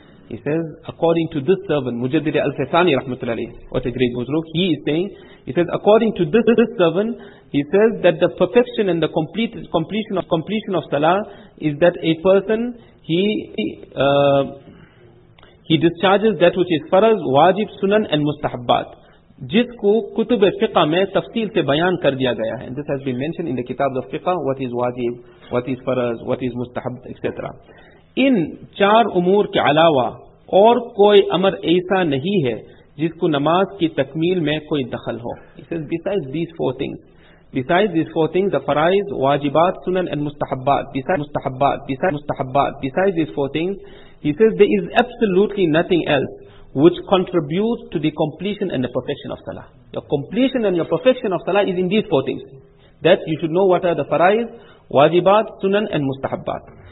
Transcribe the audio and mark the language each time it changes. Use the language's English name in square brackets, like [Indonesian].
[English] He says, according to this servant, Mujaddid al-Faisani rahmatullahi alayhi, what a great buzrug, he is saying, he says, according to this servant, he says that the perfection and the completion of salah is that a person, he discharges that which is faraz, wajib, sunan and mustahabbat. [Urdu] جس کو کتب فقہ میں تفصیل سے بیان کر دیا گیا ہے. [English] This has been mentioned in the kitab of fiqh, what is wajib, what is faraz, what is mustahab, etc. [Urdu] ان چار امور کے علاوہ اور کوئی امر ایسا نہیں ہے جس کو نماز کی تکمیل میں کوئی دخل ہو. [English] It says, besides these four things, the faraiz, wajibat, sunan and mustahabbat, besides these four things, he says, there is absolutely nothing else which contributes to the completion and the perfection of salah. your completion and your perfection of salah is in these four things. That you should know what are the faraiz, wajibat, sunan and mustahabbat.